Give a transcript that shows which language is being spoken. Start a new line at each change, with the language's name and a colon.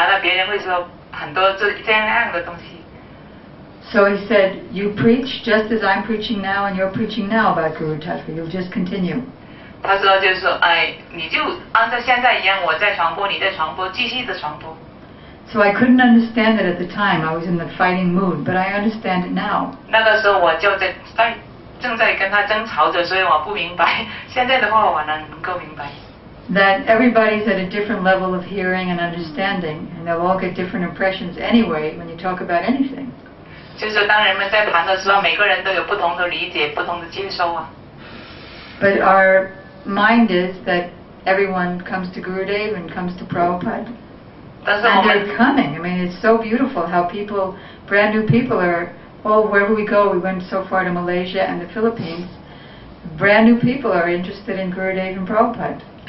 Chinese: 但是跟Gurudev争这件事情的时候呢，也就是说，如果是这样的话，那我们怎么讲Guru的真理呢？那别人会说很多这样的东西。
English: So he said, you preach just as I'm preaching now, and you're preaching now about Guru Tattva. You'll just continue.
Chinese: 他说就是说，哎，你就按照现在一样，我在传播，你在传播，继续的传播。
English: So I couldn't understand it at the time. I was in the fighting mood, but I understand it now.
Chinese: 那个时候我就在正在跟他争吵着，所以我不明白。现在的话，我能够明白。
English: That everybody's at a different level of hearing and understanding, and they'll all get different impressions anyway when you talk about anything.
Chinese: 就是当人们在谈的时候，每个人都有不同的理解，不同的接收啊。
English: But our mind is that everyone comes to Gurudev and comes to Prabhupada. And they're coming. I mean, it's so beautiful how people, brand new people are, oh, wherever we go, we went so far to Malaysia and the Philippines. brand new people are interested in Gurudeva and Prabhupada.